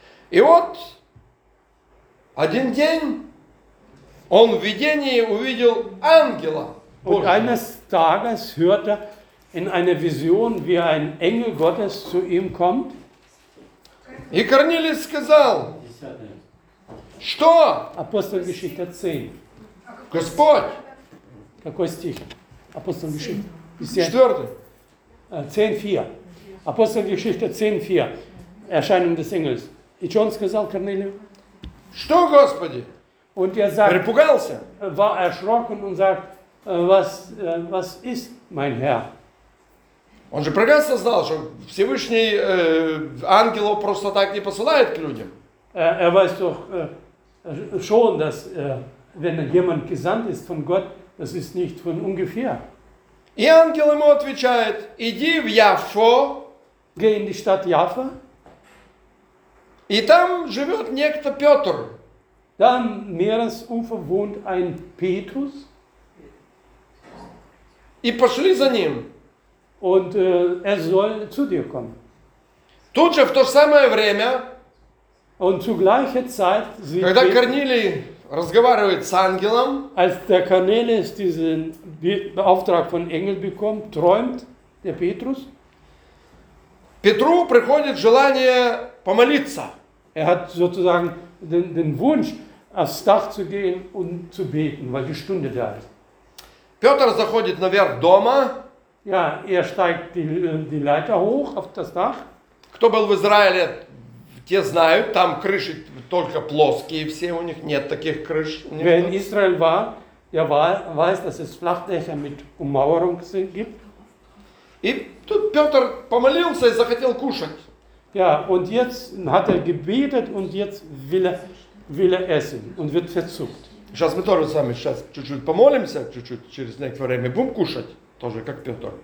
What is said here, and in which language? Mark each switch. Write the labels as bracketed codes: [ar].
[ru] И вот один день он в видении увидел ангела. [de] Und eines Tages hörte in einer Vision, wie ein Engel Gottes zu ihm kommt. [ru] И Корнилий сказал, что? [de] Апостолгеschichte 10. [ru] Господь. Какой стих? [de] Апостолгеschichte 4. Апостолгеschichte 10.4. Erscheinung des Engels. [ru] И что он сказал Корнилию? Что, Господи? [de] Und er sagt, [ru] перепугался? [de] War erschrocken und sagt, was ist mein Herr? [ru] Он же прекрасно знал, что Всевышний ангелов просто так не посылает к людям. [de] Er weiß doch schon, dass wenn jemand gesandt ist von Gott, das ist nicht von ungefähr. [ru] И ангел ему отвечает: иди в Яффо. [de] Geh in die Stadt Jaffa. [ru] И там живет некто Петр. [de] Da am Meeresufer wohnt ein Petrus. [ru] И пошли за ним. [de] Und er soll zu dir kommen. [ru] Тут же в то самое время. [de] Und zu gleicher Zeit sieht [ru] когда Петр, Корнилий разговаривает с ангелом. [de] Als der Cornelius diesen Auftrag von Engel bekommt, träumt der Petrus. [ru] Петру приходит желание помолиться. [de] Er hat sozusagen den Wunsch, aufs Dach zu gehen und zu beten, weil die Stunde da ist. [ru] Петр заходит наверх дома. [de] Ja, er steigt die Leiter hoch auf das Dach. [ru] Кто был в Израиле, те знают, там крыши только плоские все, у них нет таких крыш. [de] Wer in Israel war, weiß, dass es Flachdächer mit Ummauerung gibt. [ru] И тут Петр помолился и захотел кушать. [de] Ja, und jetzt hat gebetet und jetzt will er essen und wird verzückt. [ru] Сейчас мы тоже сами сейчас чуть-чуть помолимся, чуть-чуть через некоторое время будем кушать, тоже как Петр.